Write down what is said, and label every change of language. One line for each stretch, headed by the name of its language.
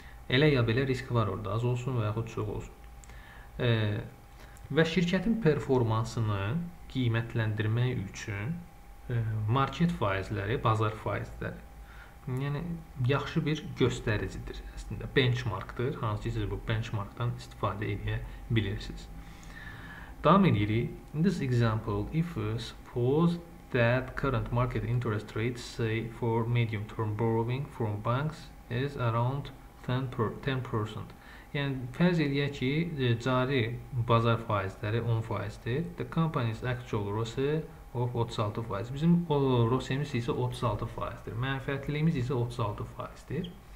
Azerbaijani: Elə ya belə risk var orada, az olsun və yaxud çox olsun. Və şirkətin performansını qiymətləndirmək üçün market faizləri, bazar faizləri, yəni yaxşı bir göstəricidir əslində. Benchmarkdır, hansı ki siz bu benchmarkdan istifadə edə bilirsiniz. Davam edirik.
English: In this example, if we suppose that current market interest rates, say for medium-term borrowing from banks, is around 10%.
Azerbaijani: Yəni fərz edək ki, cari bazar faizləri 10%-dir.
English: The company's actual ROCE of 36%.
Azerbaijani: Bizim ROCE-miz isə 36%-dir. Mənfəətliliyimiz isə 36%-dir.